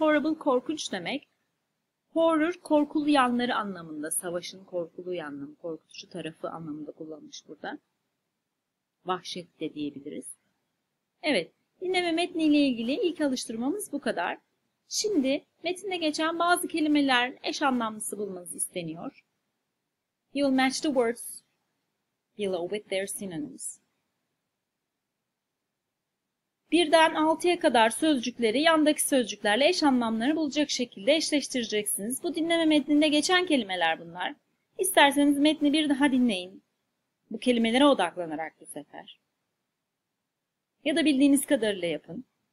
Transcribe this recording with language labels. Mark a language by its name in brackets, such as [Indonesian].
[Turkish] Horrible korkunç demek. Horror korkulu yanları anlamında, savaşın korkulu yanını, korkutucu tarafı anlamında kullanmış burada. Vahşet de diyebiliriz. Evet, dinleme metniyle ilgili ilk alıştırmamız bu kadar. Şimdi metinde geçen bazı kelimelerin eş anlamlısı bulmanız isteniyor. [English] You'll match the words below with their synonyms. [Turkish] Birden 6'ya kadar sözcükleri yandaki sözcüklerle eş anlamları bulacak şekilde eşleştireceksiniz. Bu dinleme metninde geçen kelimeler bunlar. İsterseniz metni bir daha dinleyin. Bu kelimelere odaklanarak bu sefer. Ya da bildiğiniz kadarıyla yapın.